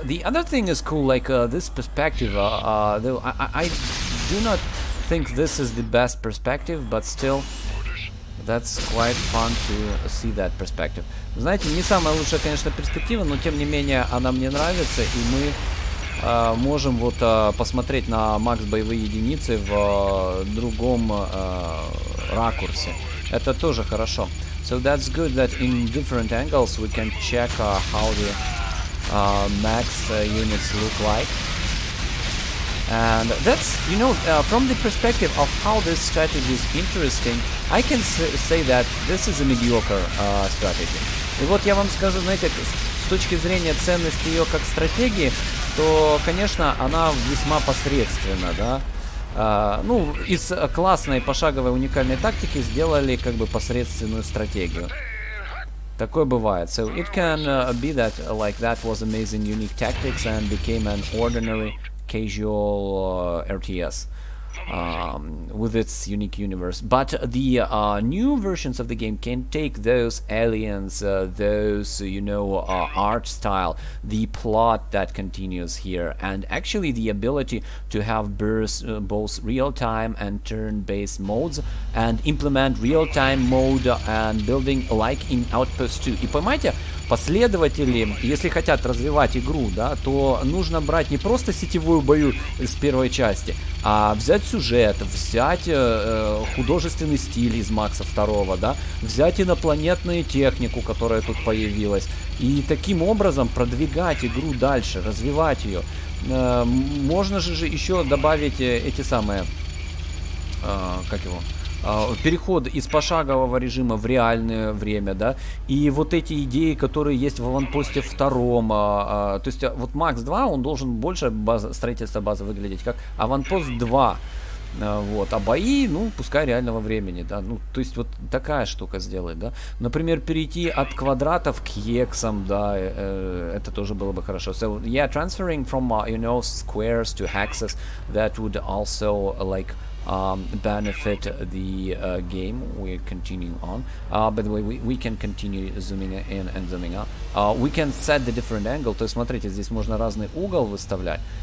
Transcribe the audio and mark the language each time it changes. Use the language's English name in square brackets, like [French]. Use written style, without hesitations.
[English] The other thing is cool, like this perspective, though I do not think this is the best perspective, but still, that's quite fun to see that perspective. [Russian] Знаете, не самая лучшая, конечно, перспектива, но тем не менее, она мне нравится, и мы можем вот посмотреть на Макс боевые единицы в другом ракурсе. Это тоже хорошо. [English] So that's good that in different angles we can check how the Max units look like. And that's, you know, from the perspective of how this strategy is interesting, I can say that this is a mediocre strategy. [Russian] И вот я вам скажу, знаете, с точки зрения ценности ее как стратегии, то, конечно, она весьма посредственна, да. Ну, из классной пошаговой уникальной тактики сделали как бы посредственную стратегию. Такое бывает. [English] So it can be that like that was amazing unique tactics and became an ordinary casual RTS with its unique universe. But the new versions of the game can take those aliens, those, you know, art style, the plot that continues here, and actually the ability to have both real-time and turn-based modes, and implement real-time mode and building like in Outpost 2. [Russian] И понимаете, последователи, если хотят развивать игру, да, то нужно брать не просто сетевую бою с первой части, а взять сюжет, взять художественный стиль из Макса второго, да, взять инопланетную технику, которая тут появилась, и таким образом продвигать игру дальше, развивать ее. Можно же еще добавить эти самые, как его, переход из пошагового режима в реальное время, да, и вот эти идеи, которые есть в аванпосте втором, то есть вот Макс 2, он должен больше строительство базы выглядеть как аванпост 2, вот, а бои, ну, пускай реального времени, да, ну, то есть вот такая штука сделает, да, например, перейти от квадратов к хексам, да, это тоже было бы хорошо. [English] So, yeah, transferring from, you know, squares to hexes, that would also, like, benefit the game. We continue on. By the way, we can continue zooming in and zooming out. We can set the different angle. [Russian] То есть, смотрите, здесь можно разный угол выставлять.